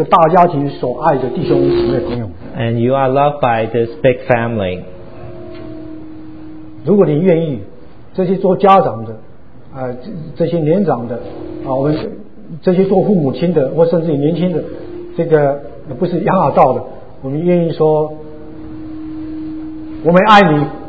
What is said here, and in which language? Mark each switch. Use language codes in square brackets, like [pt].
[zh] 是整个这个我们的教会这个大家庭所爱的弟兄姊妹朋友。 [en] And you are loved by this big family. [zh] 如果你愿意这些做家长的这些年长的我们这些做父母亲的或甚至年轻的这个不是养老道的我们愿意说我们爱你。